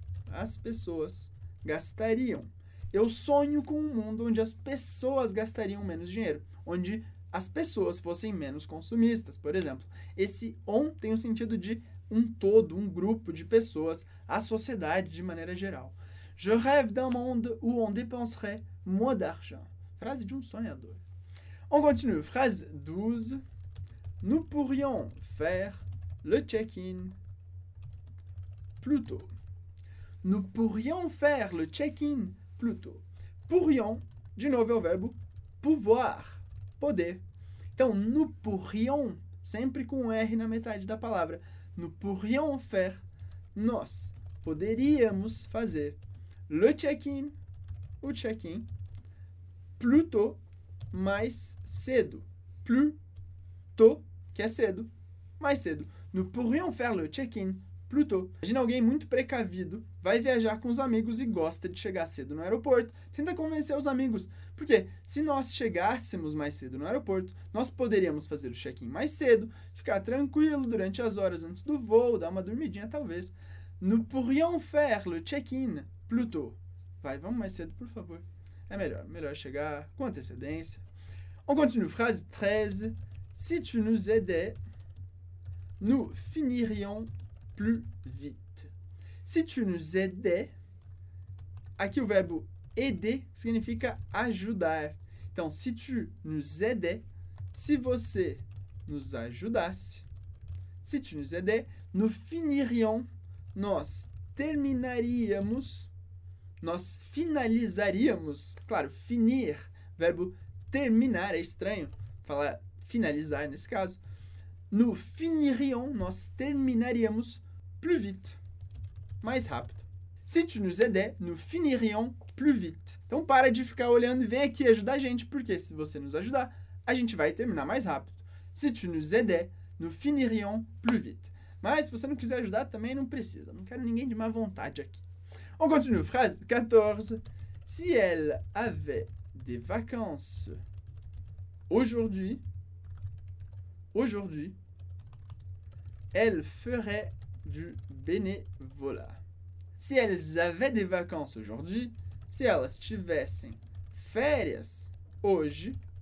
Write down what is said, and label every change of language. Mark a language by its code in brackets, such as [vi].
[pt] As pessoas gastariam. Eu sonho com um mundo onde as pessoas gastariam menos dinheiro, onde as pessoas fossem menos consumistas, por exemplo. Esse on tem o sentido de um todo, um grupo de pessoas, a sociedade de maneira geral. [fr] Je rêve d'un monde où on dépenserait moins d'argent. [pt] Frase de um sonhador. [fr] On continue. Phrase 12. Nous pourrions faire le check-in plus tôt. Nous pourrions faire le check-in plus tôt. [pt] Pourrions, de novo, é o verbo pouvoir, poder. Então, nous pourrions, sempre com um R na metade da palavra. [fr] Nous pourrions faire, [pt] nós poderíamos fazer [fr] le check-in, [pt] o check-in, [fr] plus tôt, [pt] mais cedo. Plus tôt, que é cedo, mais cedo. [fr] Nous pourrions faire le check-in plus tôt. [pt] Imagina alguém muito precavido, vai viajar com os amigos e gosta de chegar cedo no aeroporto. Tenta convencer os amigos, porque se nós chegássemos mais cedo no aeroporto, nós poderíamos fazer o check-in mais cedo, ficar tranquilo durante as horas antes do voo, dar uma dormidinha talvez. [fr] Nous pourrions faire le check-in plus tôt. [pt] Vai, vamos mais cedo, por favor. É melhor, melhor chegar com antecedência. [fr] On continue, phrase 13. Si tu nous aidais, nous finirions plus vite. Si tu nous aidais, [pt] aqui o verbo aider significa ajudar. Então, [fr] si tu nous aidais, [pt] se você nous ajudasse, si tu nous aidais, [fr] nous finirions, [pt] nós terminaríamos, nós finalizaríamos, claro, finir, verbo terminar, é estranho falar finalizar nesse caso, nous finirions, nós terminaríamos [fr] plus vite, [pt] mais rápido. [fr] Si tu nous aidais, nous finirions plus vite. [pt] Então para de ficar olhando e vem aqui ajudar a gente, porque se você nos ajudar, a gente vai terminar mais rápido. [fr] Si tu nous aidais, nous finirions plus vite. [pt] Mas se você não quiser ajudar, também não precisa. Não quero ninguém de má vontade aqui. [fr] On continue, phrase 14. Si elle avait des vacances aujourd'hui, elle ferait du bénévolat. Si elles avaient des vacances aujourd'hui, si [pt] elas tivessem férias hoje,